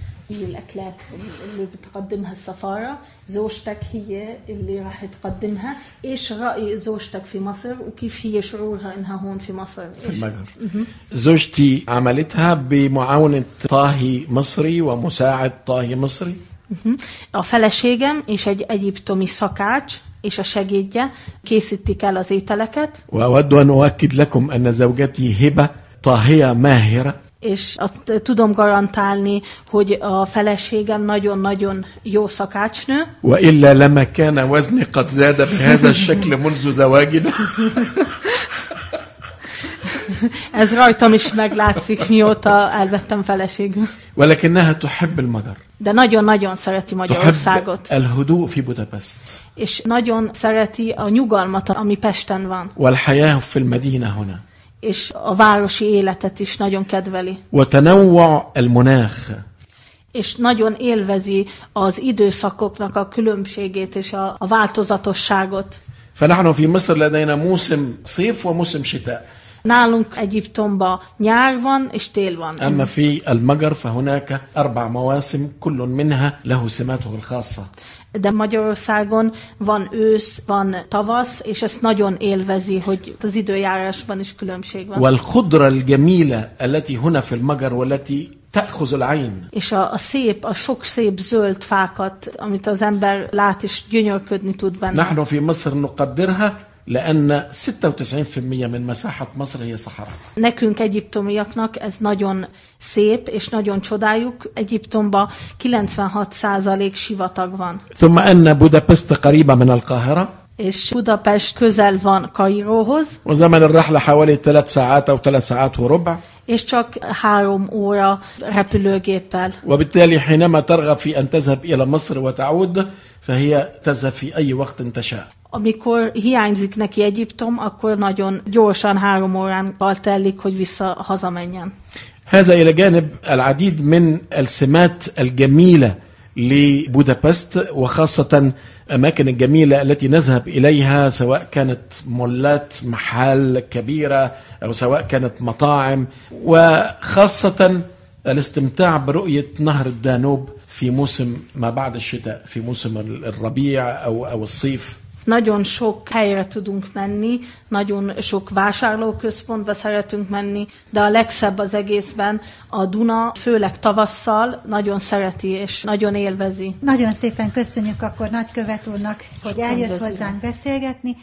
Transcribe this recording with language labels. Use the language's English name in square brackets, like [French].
[Arabic] الأكلات اللي بتقدمها السفارة زوجتك هي اللي راح تقدمها إيش رأي زوجتك في مصر وكيف هي شعورها إنها هون في مصر في المجر زوجتي عملتها بمعاونة طاهي مصري ومساعد طاهي مصري [Hungarian] a feleségem és egy egyiptomi szakács és a segédje készítik el az ételeket. [Arabic] وأود أن أؤكد لكم أن زوجتي هبة طاهية ماهرة. [Hungarian] És azt tudom garantálni, hogy a feleségem nagyon-nagyon jó szakácsnő. [Arabic] وإلا لما كان وزني قد زاد بهذا الشكل منذ زواجنا. [Hungarian] Ez rajtam is meglátszik, mióta elvettem feleségem. [Arabic] ولكنها تحب المجر. [Hungarian] De nagyon-nagyon szereti Magyarországot. [Arabic] تحب الهدوء في بودابست. [Hungarian] És nagyon szereti a nyugalmat, ami Pesten van. [Arabic] والحياة في المدينة هنا. [Hungarian] És a városi életet is nagyon kedveli. [Arabic] وتنوع المناخ. [Hungarian] és nagyon élvezi az időszakoknak a különbségét és a változatosságot. [Arabic] فنحن في مصر لدينا موسم صيف وموسم شتاء. [Hungarian] Nálunk Egyiptomban nyár van és tél van. [Arabic] أما في المجر فهناك أربع مواسم كل منها له سماته الخاصة. [Hungarian] De Magyarországon van ősz, van tavasz, és ezt nagyon élvezi, hogy az időjárásban is különbség van. [Arabic] والخضرة الجميلة التي هنا في المجر والتي تأخذ العين. [Hungarian] És a szép, a sok szép zöld fákat, amit az ember lát és gyönyörködni tud benne. [Arabic] نحن في مصر نقدرها لأن 96% من مساحة مصر هي صحراء. [Hungarian] Nekünk egyiptomiaknak ez nagyon szép és nagyon csodájuk. Egyiptomba 96% sivatag van. [Arabic] ثم أن بودابست قريبة من القاهرة. [Hungarian] És Budapest közel van Kairóhoz. [Arabic] وزمن الرحلة حوالي 3 ساعات أو 3 ساعات وربع. [Hungarian] És csak 3 óra repülőgéppel. [Arabic] وبالتالي حينما ترغب في أن تذهب إلى مصر وتعود فهي تذهب في أي وقت تشاء. [Hungarian] Amikor hiányzik neki Egyiptom, akkor nagyon gyorsan 3 órán telik, hogy vissza hazamenjen. [Arabic] هذا إلى جانب العديد من السمات الجميلة لبودابست وخاصة أماكن الجميلة التي نذهب إليها سواء كانت مولات محال كبيرة أو سواء كانت مطاعم وخاصة الاستمتاع برؤية نهر الدانوب في موسم ما بعد الشتاء في موسم الربيع أو الصيف. [Hungarian] Nagyon sok helyre tudunk menni, nagyon sok vásárlóközpontba szeretünk menni, de a legszebb az egészben a Duna, főleg tavasszal, nagyon szereti és nagyon élvezi. Nagyon szépen köszönjük akkor nagykövet úrnak, hogy eljött hozzánk beszélgetni.